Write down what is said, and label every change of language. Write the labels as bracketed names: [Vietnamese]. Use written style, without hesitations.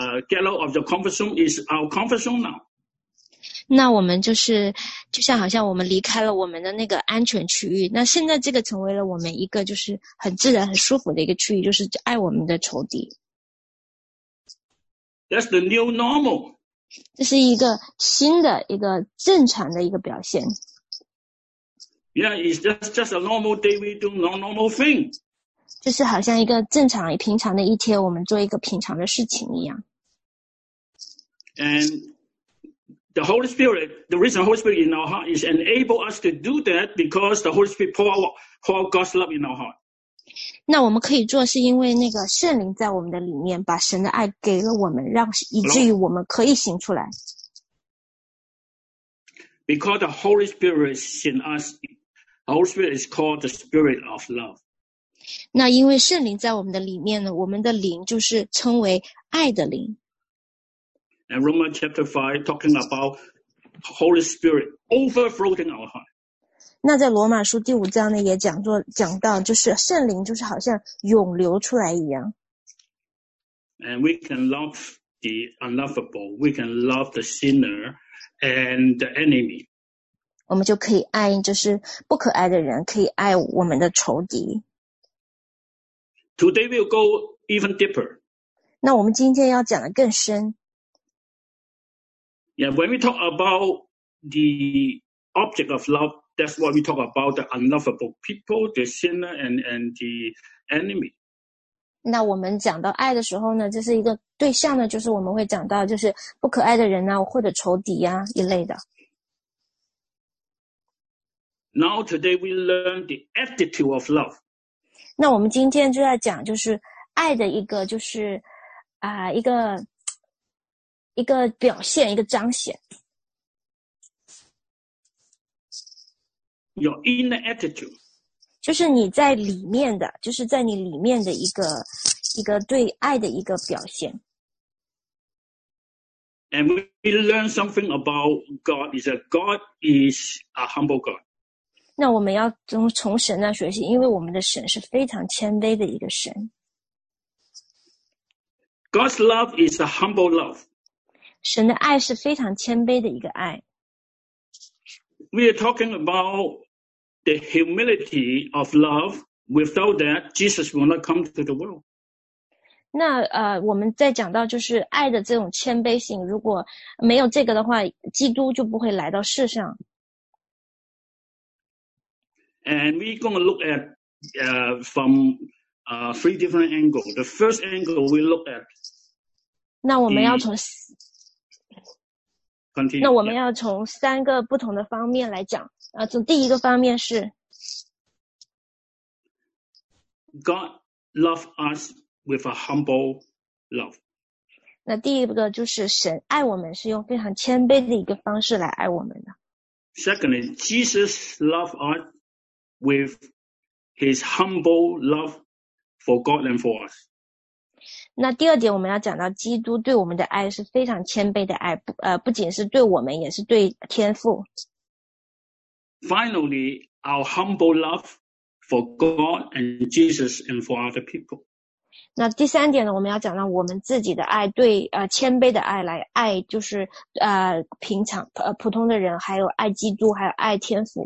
[English] Get out of your comfort zone is our comfort zone now. [Chinese] 那我们就像好像我们离开了我们的那个安全区域，那现在这个成为了我们一个就是很自然很舒服的一个区域，就是爱我们的仇敌。 [English] That's the new normal. [Chinese] 这是一个新的一个正常的一个表现。 [English] Yeah, it's just a normal day we do normal thing. [Chinese] 就是好像一个正常平常的一天，我们做一个平常的事情一样。 [English] And... The Holy Spirit, the reason the Holy Spirit is in our heart is enable us to do that because the Holy Spirit pour out God's love in our heart. [Chinese] 那我们可以做是因为那个圣灵在我们的里面把神的爱给了我们，让以至于我们可以行出来。 [English] Because the Holy Spirit is in us, the Holy Spirit is called the Spirit of love. [Chinese] 那因为圣灵在我们的里面呢，我们的灵就是称为爱的灵。 [English] And Romans chapter 5 talking about Holy Spirit overflowing our heart. [Chinese] 那在罗马书第五章呢也讲到就是圣灵就是好像涌流出来一样。 [English] And we can love the unlovable, we can love the sinner and the enemy. [Chinese] 我们就可以爱就是不可爱的人，可以爱我们的仇敌。 [English] Today we'll go even deeper. [Chinese] 那我们今天要讲的更深。 [English] Yeah, when we talk about the object of love, that's what we talk about, the unlovable people, the sinner, and the enemy. [Chinese] 那我们讲到爱的时候呢，这是一个对象呢，就是我们会讲到就是不可爱的人啊，或者仇敌啊一类的。 [English] Now today we learn the attitude of love. [Chinese] 那我们今天就要讲就是爱的一个就是一个表现，一个彰显。 [English] Your inner attitude. [Chinese] 就是你在里面的，就是在你里面的一个对爱的一个表现。 [English] And we learn something about God is that God is a humble God. [Chinese] 那我们要从神那学习，因为我们的神是非常谦卑的一个神。 [English] God's love is a humble love. [Chinese] 神的爱是非常谦卑的一个爱。 [English] We are talking about the humility of love. Without that, Jesus will not come to the world. [Chinese] 那我们在讲到就是爱的这种谦卑性，如果没有这个的话，基督就不会来到世上。 [English] And we're going to look at from three different angles. The first angle we look at. [Chinese] 那我们要从 [English] Continue. [Chinese] 那我们要从三个不同的方面来讲。啊，从第一个方面是 [English] God loves us with a humble love。 [Chinese] 那第一个就是神爱我们是用非常谦卑的一个方式来爱我们的。 [English] Secondly, Jesus loves us with his humble love for God and for us. [Chinese] 那第二点我们要讲到基督对我们的爱是非常谦卑的爱 不仅是对我们也是对天父。 [English] Finally, our humble love for God and Jesus and for other people. [Chinese] 那第三点呢我们要讲到我们自己的爱对谦卑的爱来爱就是平常普通的人还有爱基督还有爱天父。